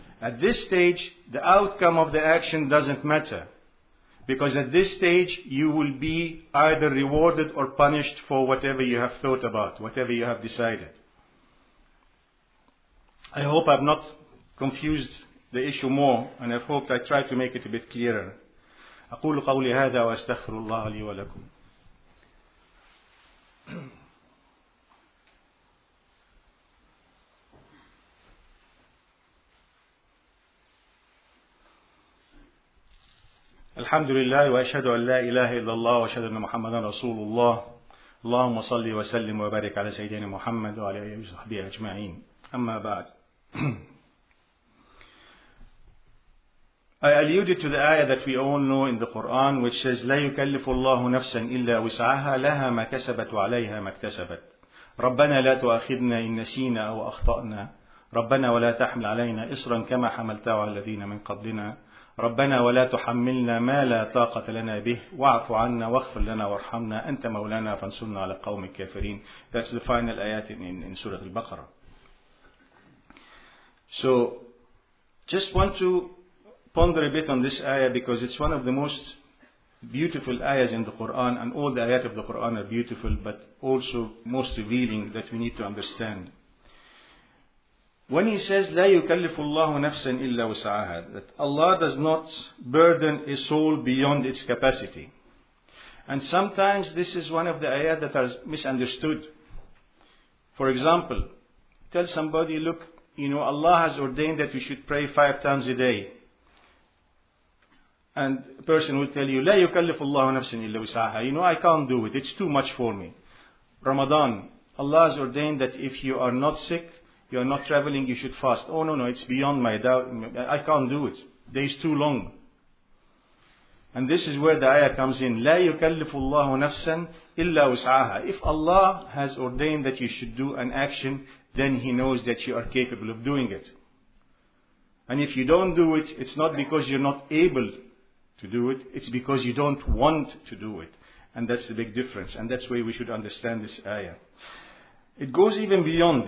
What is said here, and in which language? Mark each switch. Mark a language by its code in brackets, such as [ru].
[en] At this stage, the outcome of the action doesn't matter. Because at this stage, you will be either rewarded or punished for whatever you have thought about, whatever you have decided. I hope I've not confused the issue more, and I've hoped I tried to make it a bit clearer. [ar] أقول قولي هذا وأستغفر الله لي ولكم. الحمد لله وأشهد أن لا إله إلا الله وأشهد أن محمدا رسول الله اللهم صل وسلم وبارك على سيدنا محمد وعلى آله وصحبه أجمعين. أما بعد. [en] I alluded to the ayah that we all know in the Quran, which says, [ar] لا يكلف الله نفسا إلا وسعها لها ما كسبت وعليها ما اكتسبت. ربنا لا تؤاخذنا إن نسينا أو أخطأنا. ربنا ولا تحمل علينا إصرا كما حملته على الذين من قبلنا. ربنا ولا تحملنا ما لا طاقة لنا به. واعف عنا واغفر لنا وارحمنا. أنت مولانا فانصرنا على القوم الكافرين. [en] That's the final ayat in Surah Al-Baqarah. So, just want to ponder a bit on this ayah because it's one of the most beautiful ayahs in the Quran, and all the ayat of the Quran are beautiful, but also most revealing that we need to understand. When he says, [ar] لا يكلف الله نفسا إلا وسعها, [en] that Allah does not burden a soul beyond its capacity. And sometimes this is one of the ayat that are misunderstood. For example, tell somebody, look, you know, Allah has ordained that you should pray 5 times a day. And a person will tell you, [ar] لا يكلف الله نفسا إلا وسعها. [en] You know, I can't do it. It's too much for me. Ramadan, Allah has ordained that if you are not sick, you are not traveling, you should fast. Oh no, it's beyond my doubt. I can't do it. Day is too long. And this is where the ayah comes in. [ar] لا يكلف الله نفسا إلا وسعها. [en] If Allah has ordained that you should do an action, then He knows that you are capable of doing it. And if you don't do it, it's not because you're not able to do it, it's because you don't want to do it. And that's the big difference. And that's why we should understand this ayah. It goes even beyond.